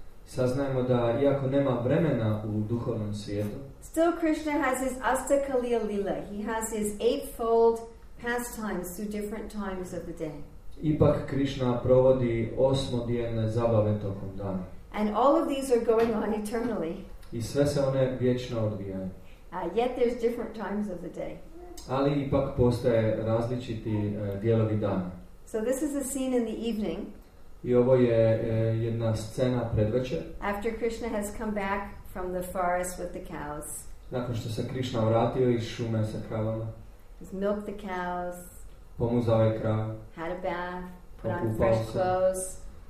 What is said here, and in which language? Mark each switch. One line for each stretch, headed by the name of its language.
Croatian: saznajemo da iako nema vremena u duhovnom svijetu,
English: still Krishna has his Astakaliya Lila. He has his eightfold pastimes through different times of the day.
Croatian: Ipak Krishna provodi osmodijene zabave tokom dana.
English: And all of these are going on eternally.
Croatian: I sve se one vječno odvijaju.
English: Yet there's different times of the day.
Croatian: Ali ipak postoje različiti dijelovi dana.
English: So this is a scene in the evening.
Croatian: I ovo je jedna scena predvečer.
English: After Krishna has come back from the forest with the cows.
Croatian: Nakon što se Krishna vratio iz šume sa kravama.
English: He's milked the cows.
Croatian: Pomuzao je krav.
English: Had a bath. Put on fresh clothes.